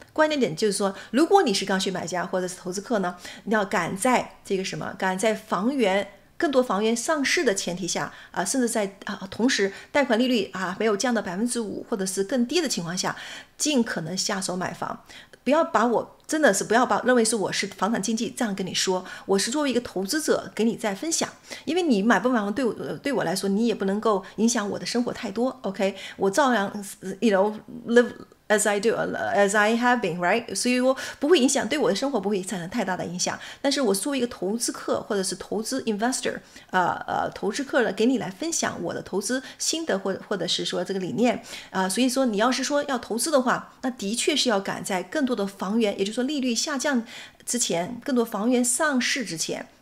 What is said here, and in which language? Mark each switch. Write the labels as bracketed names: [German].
[Chinese] 关键点就是说，如果你是刚需买家或者是投资客呢，你要赶在这个什么，赶在房源更多房源上市的前提下甚至在同时贷款利率没有降到5%或者是更低的情况下，尽可能下手买房。不要把我真的是不要把认为是我是房产经纪这样跟你说，我是作为一个投资者给你在分享，因为你买不买房对我来说，你也不能够影响我的生活太多。 [English] OK， [Chinese] 我照样 [English] you know liveAs I do, as I have been, right? [Chinese] 所以我不会影响，对我的生活不会产生太大的影响。但是我作为一个投资客或者是投资 investor, 投资客呢，给你来分享我的投资心得或者是说这个理念。所以说你要是说要投资的话，那的确是要赶在更多的房源，也就是说利率下降之前，更多房源上市之前。